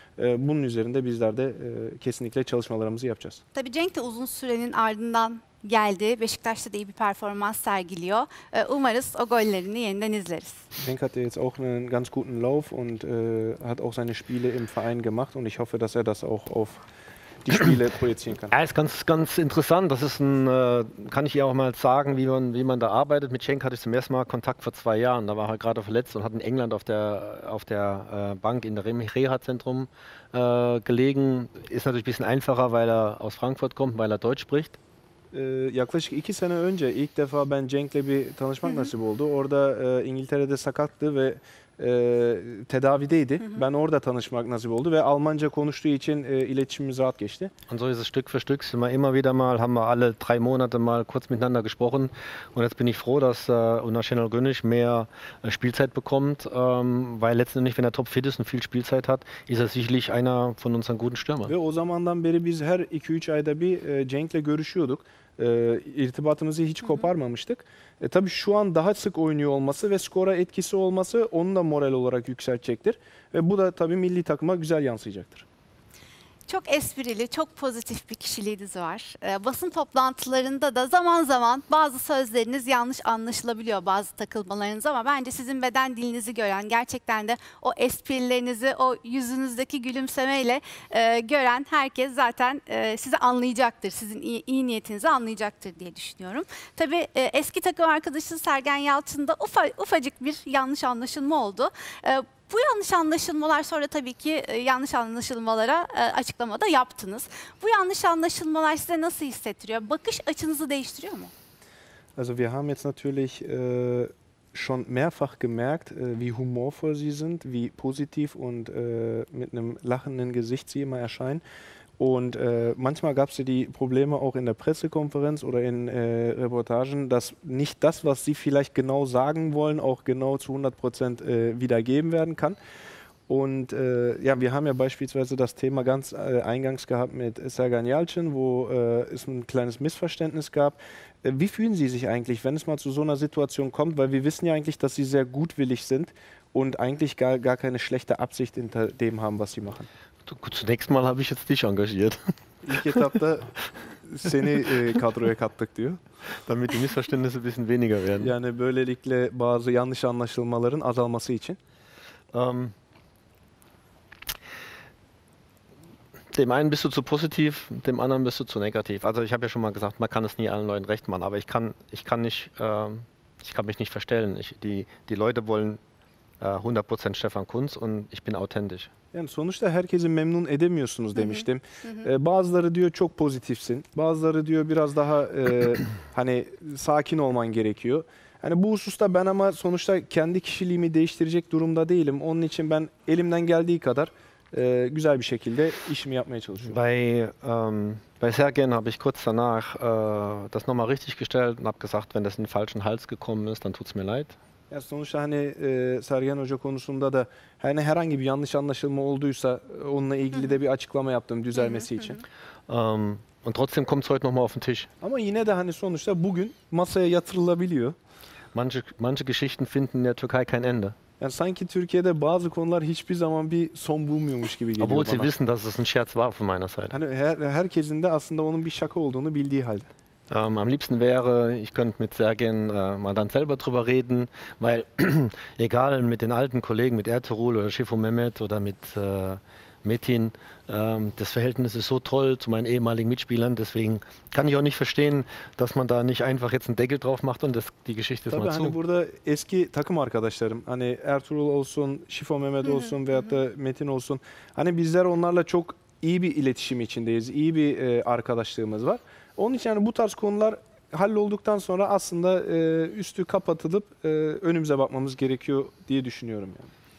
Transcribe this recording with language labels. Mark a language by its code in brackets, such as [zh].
[tr] Bunun üzerinde bizler de kesinlikle çalışmalarımızı yapacağız. Tabii Cenk de uzun sürenin ardından geldi. Beşiktaş'ta da iyi bir performans sergiliyor. Umarız o gollerini yeniden izleriz. [de] Cenk hatte jetzt auch einen ganz guten Lauf und hat auch seine Spiele im Verein gemacht und ich hoffe, dass er das auch auf die Spiele projizieren kann. Er ist ganz, ganz interessant. Das ist ein, kann ich ihr auch mal sagen, wie man da arbeitet. Mit Cenk hatte ich zum ersten Mal Kontakt vor 2 Jahren. Da war er gerade verletzt und hat in England auf der Bank in der Reha-Zentrum gelegen. Ist natürlich ein bisschen einfacher, weil er aus Frankfurt kommt, weil er Deutsch spricht. [tr] Yaklaşık 2 sene önce ilk defa ben Cenk'le bir tanışmak nasip oldu. Orada İngiltere'de sakattı ve tedavideydi. Ben orada tanışmak nasip oldu ve Almanca konuştuğu için iletişimimiz rahat geçti. [de] Und so ist es Stück für Stück. Immer wieder mal haben wir alle 3 Monate mal kurz miteinander gesprochen. Und jetzt bin ich froh, dass Unai Şener Güneş mehr Spielzeit bekommt. Weil letztendlich, wenn er topfit ist und viel Spielzeit hat, ist er sicherlich einer von unseren guten Stürmern. [tr] Ve o zamandan beri biz her 2-3 ayda bir Cenk'le görüşüyorduk. İrtibatımızı hiç koparmamıştık. Tabii şu an daha sık oynuyor olması ve skora etkisi olması onu da moral olarak yükseltecektir. Ve bu da tabii milli takıma güzel yansıyacaktır. Çok esprili, çok pozitif bir kişiliğiniz var. Basın toplantılarında da zaman zaman bazı sözleriniz yanlış anlaşılabiliyor, bazı takılmalarınız, ama bence sizin beden dilinizi gören, gerçekten de o esprilerinizi, o yüzünüzdeki gülümsemeyle gören herkes zaten sizi anlayacaktır, sizin iyi niyetinizi anlayacaktır diye düşünüyorum. Tabii eski takım arkadaşı Sergen Yalçın'da ufacık bir yanlış anlaşılma oldu. Bu yanlış anlaşılmalar sonra tabii ki yanlış anlaşılmalara açıklama da yaptınız. Bu yanlış anlaşılmalar size nasıl hissettiriyor? Bakış açınızı değiştiriyor mu? [de] Also wir haben jetzt natürlich schon mehrfach gemerkt, wie humorvoll sie sind, wie positiv und mit einem lachenden Gesicht sie immer erscheinen. Und manchmal gab es ja die Probleme auch in der Pressekonferenz oder in Reportagen, dass nicht das, was sie vielleicht genau sagen wollen, auch genau zu 100% wiedergeben werden kann. Und ja, wir haben ja beispielsweise das Thema ganz eingangs gehabt mit Sergan Yalcin, wo es ein kleines Missverständnis gab. Wie fühlen Sie sich eigentlich, wenn es mal zu so einer Situation kommt? Weil wir wissen ja eigentlich, dass Sie sehr gutwillig sind und eigentlich gar keine schlechte Absicht hinter dem haben, was Sie machen. Zunächst mal habe ich jetzt dich engagiert. Ich habe [tr] seni kadroya kattık diyor. [de] Damit die Missverständnisse ein bisschen weniger werden. [tr] Yani böylelikle bazı yanlış anlaşılmaların azalması için. [de] Dem einen bist du zu positiv, dem anderen bist du zu negativ. Also ich habe ja schon mal gesagt, man kann es nie allen Leuten recht machen, aber ich kann mich nicht verstellen. Die Leute wollen 100% Stefan Kunz und ich bin authentisch. [tr] Yani sonuçta herkesi memnun edemiyorsunuz demiştim. Bazıları diyor çok pozitifsin, bazıları diyor biraz daha hani sakin olman gerekiyor. Yani bu hususta ben ama sonuçta kendi kişiliğimi değiştirecek durumda değilim. Onun için ben elimden geldiği kadar güzel bir şekilde işimi yapmaya çalışıyorum. [de] Bei Sergen habe ich kurz danach das nochmal richtig gestellt und habe gesagt, wenn das in den falschen Hals gekommen ist, dann tut's mir leid. [tr] Ya sonuçta hani Sergen Hoca konusunda da hani herhangi bir yanlış anlaşılma olduysa onunla ilgili de bir açıklama yaptım düzelmesi için. [de] Und trotzdem kommt's heute nochmal auf den Tisch. [tr] Ama yine de hani sonuçta bugün masaya yatırılabiliyor. [de] Manche Geschichten finden in der Türkei kein Ende. [tr] Yani sanki Türkiye'de bazı konular hiçbir zaman bir son bulmuyormuş gibi geliyor bana. [de] Aber Sie wissen, dass es ein Scherz war von meiner Seite. [tr] Hani herkesin de aslında onun bir şaka olduğunu bildiği halde. [de] Am liebsten wäre, ich könnte mit Sergen mal dann selber drüber reden, weil egal mit den alten Kollegen, mit Ertuğrul oder Şifu Mehmet oder mit Metin, das Verhältnis ist so toll zu meinen ehemaligen Mitspielern, deswegen kann ich auch nicht verstehen, dass man da nicht einfach jetzt einen Deckel drauf macht und das, die Geschichte ist [tr] tabii [de] mal [tr] hani [de] zu. [tr] Burada eski takım arkadaşlarım, hani Ertuğrul olsun, Şifu Mehmet olsun veyahut da Metin olsun, hani bizler onlarla çok iyi bir iletişim içindeyiz, iyi bir arkadaşlığımız var. Onun için yani bu tarz konular hallolduktan sonra aslında üstü kapatılıp önümüze bakmamız gerekiyor diye düşünüyorum yani.